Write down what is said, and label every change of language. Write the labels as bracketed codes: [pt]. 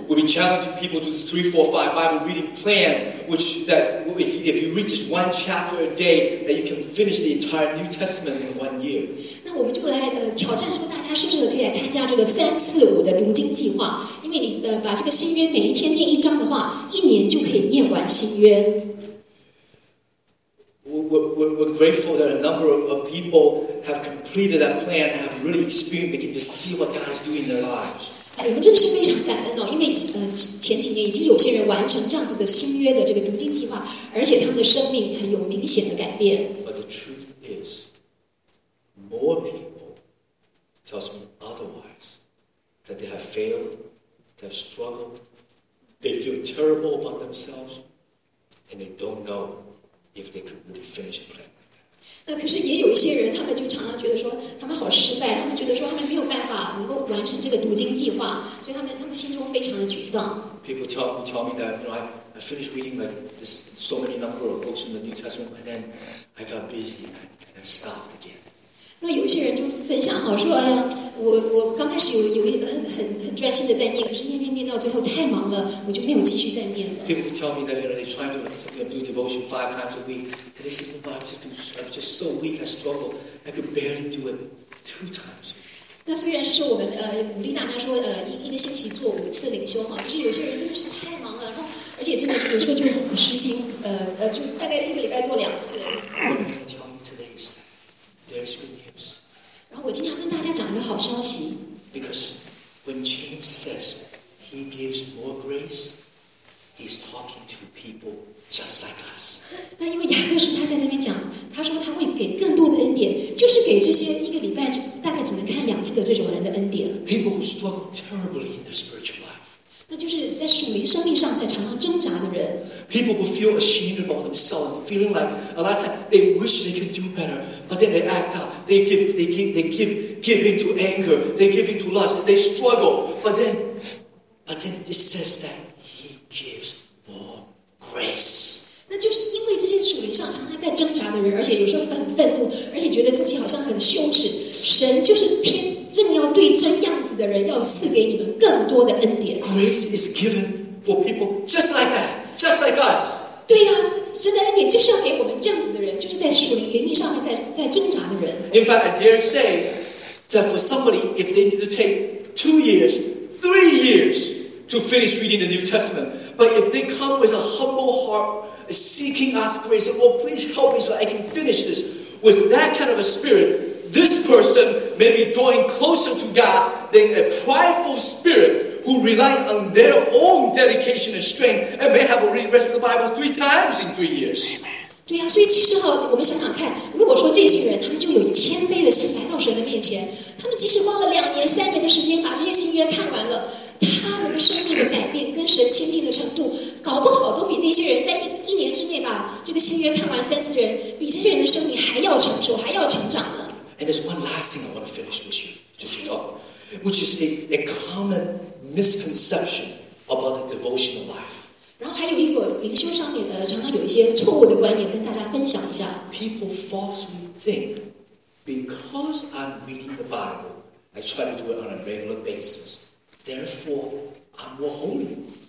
[en] We've been challenging people to this 3-4-5 Bible reading plan, which that if you read just one chapter a day, that you can finish the entire New Testament in one year. [zh] 那我们就来挑战说，大家是不是可以来参加这个3-4-5的读经计划？因为你把这个新约每一天念一章的话，一年就可以念完新约。 [en] We're grateful that a number of people have completed that plan and have really experienced, begin to see what God is doing in their lives. [zh] 我们真的是非常感恩哦，因为前几年已经有些人完成这样子的新约的这个读经计划，而且他们的生命很有明显的改变。 [en] But the truth is, more people tell me otherwise that they have failed, they have struggled, they feel terrible about themselves, and they don't know if they could really finish a plan. [zh] 那可是也有一些人，他们就常常觉得说他们好失败，他们觉得说他们没有办法能够完成这个读经计划，所以他们心中非常的沮丧。 [en] People tell me that you know I finished reading like this so many number of books in the New Testament and then I got busy and I stopped again. [zh] 那有一些人就分享好说，哎呀，我刚开始有一个很专心的在念，可是念到最后太忙了，我就没有继续再念了。 [en] People tell me that you know they try to do devotion 5 times a week. They said, oh, I'm just so weak, I struggle. I could barely do it 2 times. [zh] 那虽然是说我们鼓励大家说一个星期做5次灵修哈，可是有些人真的是太忙了，然后而且真的有时候就不实行，就大概一个礼拜做2次。 [en] Tell me today is that there's good news. [zh] 然后我今天要跟大家讲一个好消息。 [en] Because when James says he gives more grace, he's talking to people. Just like us. [zh] 那因为雅各书他在这边讲，他说他会给更多的恩典，就是给这些一个礼拜大概只能看2次的这种人的恩典。 [en] People who struggle terribly in their spiritual life. [zh] 那就是在属灵生命上在常常挣扎的人。 [en] People who feel ashamed about themselves, feeling like a lot of times they wish they could do better, but then they act out. They give into anger. They give into lust. They struggle, but then it says that He gives. Grace. [zh] 那就是因为这些属灵上常常在挣扎的人，而且有时候很愤怒，而且觉得自己好像很羞耻。神就是偏正要对这样子的人，要赐给你们更多的恩典。 [en] Grace is given for people just like that, just like us. [zh] 对呀、啊，真的恩典就是要给我们这样子的人，就是在属灵灵力上面 在挣扎的人。 [en] In fact, I dare say that for somebody, if they need to take 2 years, 3 years to finish reading the New Testament, but if they come with a humble heart seeking us grace, and, well, please help me so I can finish this, with that kind of a spirit, this person may be drawing closer to God than a prideful spirit who rely on their own dedication and strength and may have already read the Bible 3 times in 3 years. [zh] 对啊，所以其实哈，我们想想看，如果说这些人他们就有谦卑的心来到神的面前，他们即使花了2年、3年的时间把这些新约看完了，他们的生命的改变跟神亲近的程度，搞不好都比那些人在 一年之内把这个新约看完3、4人，比这些人的生命还要成熟，还要成长呢。 [en] And there's one last thing I want to finish with you, just to talk about, which is a common misconception about the devotional life. [zh] 然后还有一个灵修上面常常有一些错误的观念跟大家分享一下。 [en] People falsely think, because I'm reading the Bible, I try to do it on a regular basis, therefore, I'm more holy.